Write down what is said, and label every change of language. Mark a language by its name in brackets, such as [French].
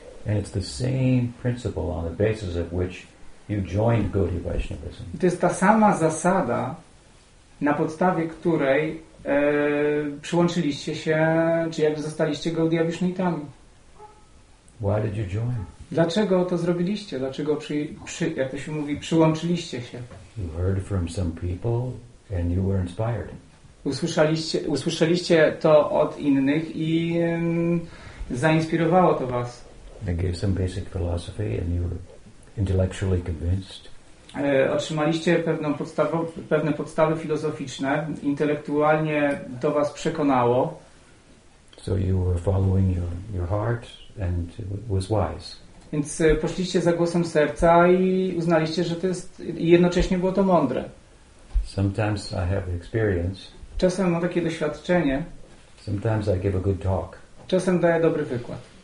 [English] And it's the same principle on the basis of which you joined Gaudiya Vaishnavism. [Polish] To jest ta sama zasada, na podstawie której przyłączyliście się, czy jakby zostaliście Gaudiya Vaishnavami. [English] Why did you join? [Polish] Dlaczego to zrobiliście? Dlaczego jak to się mówi, przyłączyliście się? [English] You heard from some people and you were inspired. [Polish] Usłyszeliście to od innych i zainspirowało to was. [English] They gave some basic philosophy and you were intellectually convinced. [Polish] Otrzymaliście pewne podstawy filozoficzne, intelektualnie to was przekonało. [English] So you were following your heart and it was wise. [Polish] Więc poszliście za głosem serca i uznaliście, że to jest i jednocześnie było to mądre. [English] Sometimes I have experience. [Polish] Czasem mam takie doświadczenie. [English] Sometimes I give a good talk. [Polish] Czasem daję dobry wykład.